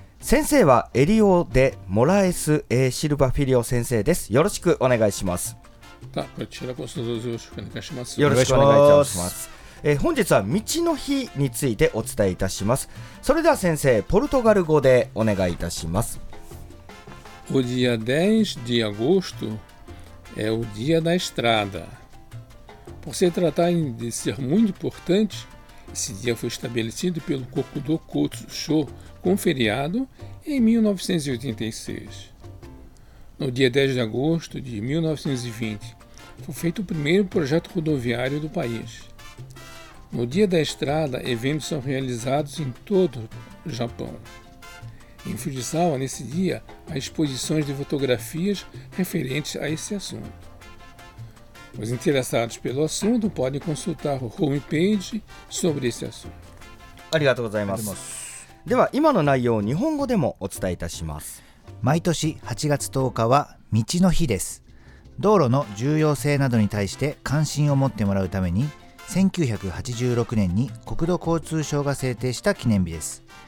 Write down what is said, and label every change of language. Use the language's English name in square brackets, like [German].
[Japanese] 先生はエリオデモラエス・エシルバフィリオ先生です。よろしくお願いします。こちらこそどうぞよろしくお願いします。よろしくお願いいたします。本日は道の日についてお伝えいたします。それでは先生、ポルトガル語でお願いいたします。 [Portuguese] O dia 10 de agosto é o dia da estrada. Por se tratar de ser muito importante, esse dia foi estabelecido pelo Kokudo Kotsusho como feriado em 1986. No dia 10 de agosto de 1920, foi feito o primeiro projeto rodoviário do país. No dia da estrada, eventos são realizados em todo o Japão. Em Fujisawa, nesse dia, há exposições de fotografias referentes a esse assunto. Os interessados pelo assunto podem consultar o homepage sobre esse assunto. [Japanese] ありがとうございます。では、今の内容を日本語でもお伝えいたします。毎年8月10日は道の日です。道路の重要性などに対して関心を持ってもらうために、1986年に国土交通省が制定した記念日です。